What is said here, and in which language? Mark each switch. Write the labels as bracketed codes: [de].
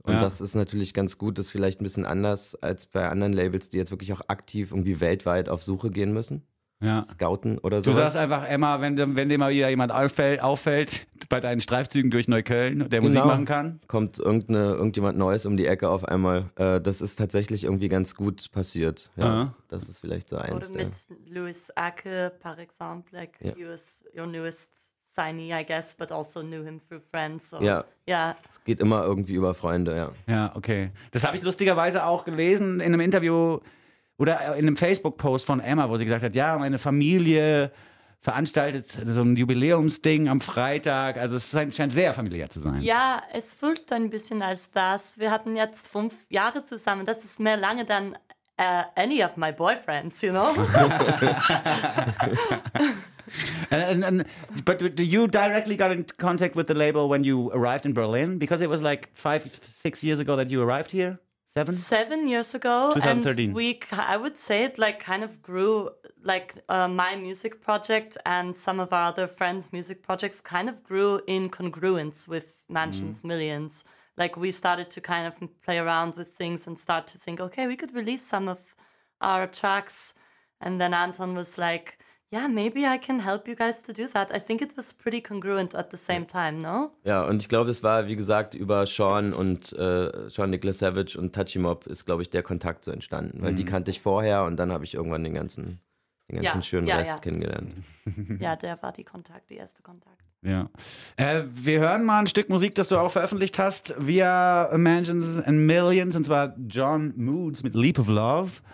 [de] Und das ist natürlich ganz gut, das ist vielleicht ein bisschen anders als bei anderen Labels, die jetzt wirklich auch aktiv irgendwie weltweit auf Suche gehen müssen. Ja. Scouten oder so. Du sagst einfach, Emma, wenn dir mal wieder jemand auffällt bei deinen Streifzügen durch Neukölln, der genau. Musik machen kann. Kommt irgendjemand Neues um die Ecke auf einmal. Das ist tatsächlich irgendwie ganz gut passiert. Ja. Das ist vielleicht so eins. Oder mit [en] Louis Acke, [fr] par exemple, [en] like he was your newest signee, I guess, but also knew him through friends. So. [de] Ja. Ja. Es geht immer irgendwie über Freunde, ja. Ja, okay. Das habe ich lustigerweise auch gelesen in einem Interview. Oder in einem Facebook-Post von Emma, wo sie gesagt hat, ja, meine Familie veranstaltet so ein Jubiläumsding am Freitag. Also es scheint sehr familiär zu sein. Ja, es fühlt ein bisschen als das. Wir hatten jetzt 5 Jahre zusammen. Das ist mehr lange [en] than any of my boyfriends, you know? But you directly got in contact with the label when you arrived in Berlin? Because it was like 5-6 years ago that you arrived here. Seven years ago, 2013. And I would say it like kind of grew like my music project and some of our other friends' music projects kind of grew in congruence with Mansions Millions. Like we started to kind of play around with things and start to think, okay, we could release some of our tracks. And then Anton was like, yeah, maybe I can help you guys to do that. I think it was pretty congruent at the same time, no? [de] Ja, und ich glaube, es war, wie gesagt, über Sean und Sean Nicholas Savage und Touchy Mob ist, glaube ich, der Kontakt so entstanden. Weil die kannte ich vorher und dann habe ich irgendwann den ganzen schönen Rest kennengelernt. Ja, der war der erste Kontakt. Ja. Wir hören mal ein Stück Musik, das du auch veröffentlicht hast via Mansions and Millions, und zwar John Moods mit Leap of Love.